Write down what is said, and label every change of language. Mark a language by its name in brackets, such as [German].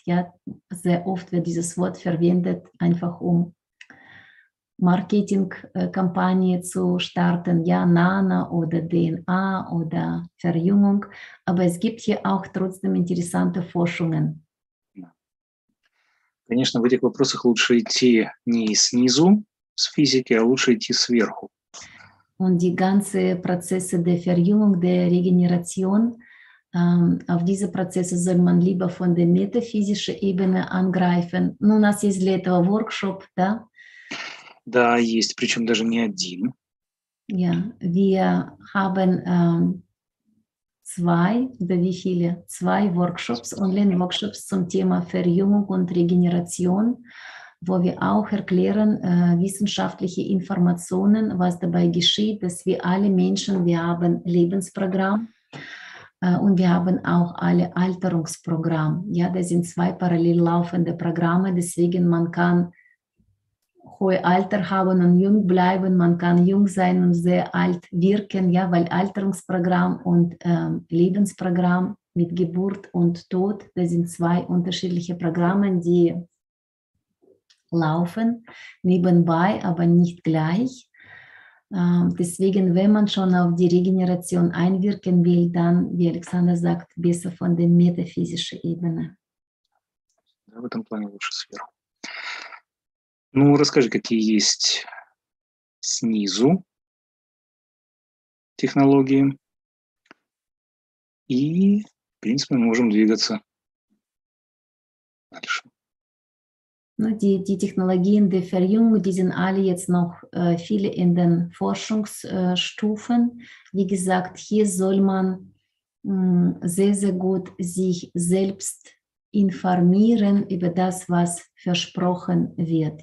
[German] Ja, sehr oft wird dieses Wort verwendet, einfach um Marketingkampagne zu starten. Ja, Nano oder DNA oder Verjüngung. Aber es gibt hier auch trotzdem interessante Forschungen. [Russian] Конечно, в этих вопросах лучше идти не снизу, с физики, а лучше идти сверху. [German] Und die ganze Prozesse der Verjüngung, der Regeneration, auf diese Prozesse soll man lieber von der metaphysischen Ebene angreifen. [Russian] Ну, у нас есть для этого workshop, да? Да, есть, причем даже не один. [German] Ja, wir haben zwei, oder wie viele? Zwei Workshops, Online-Workshops zum Thema Verjüngung und Regeneration, wo wir auch erklären, wissenschaftliche Informationen, was dabei geschieht, dass wir alle Menschen, wir haben Lebensprogramm und wir haben auch alle Alterungsprogramm. Ja, das sind zwei parallel laufende Programme, deswegen man kann hohes Alter haben und jung bleiben, man kann jung sein und sehr alt wirken, ja, weil Alterungsprogramm und Lebensprogramm mit Geburt und Tod, das sind zwei unterschiedliche Programme, die laufen nebenbei, aber nicht gleich. Deswegen, wenn man schon auf die Regeneration einwirken will, dann, wie Alexander sagt, besser von der metaphysischen Ebene. Ja, in dem Plan [Russian] лучше сверху. Ну, расскажи, какие есть снизу технологии. И, в принципе, мы можем двигаться дальше. Ну, [German] die Technologien der Verjüngung, die sind alle jetzt noch viele in den Forschungsstufen. Wie gesagt, hier soll man sehr, sehr gut sich selbst informieren über das, was versprochen wird.